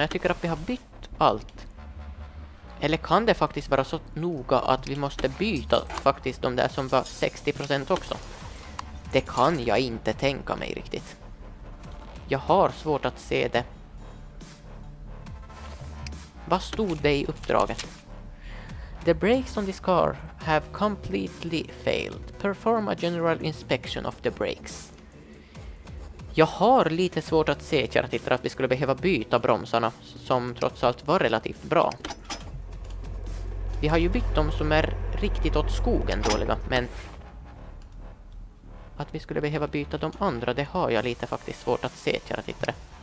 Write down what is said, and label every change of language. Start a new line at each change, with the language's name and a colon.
Swedish: Jag tycker att vi har bytt allt. Eller kan det faktiskt vara så noga att vi måste byta faktiskt de där som var 60% också? Det kan jag inte tänka mig riktigt. Jag har svårt att se det. Vad stod det i uppdraget?
English: The brakes on this car have completely failed. Perform a general inspection of the brakes.
Swedish: Jag har lite svårt att se, kära tittare, att vi skulle behöva byta bromsarna som trots allt var relativt bra. Vi har ju bytt dem som är riktigt åt skogen dåliga, men att vi skulle behöva byta de andra, det har jag lite faktiskt svårt att se, kära tittare.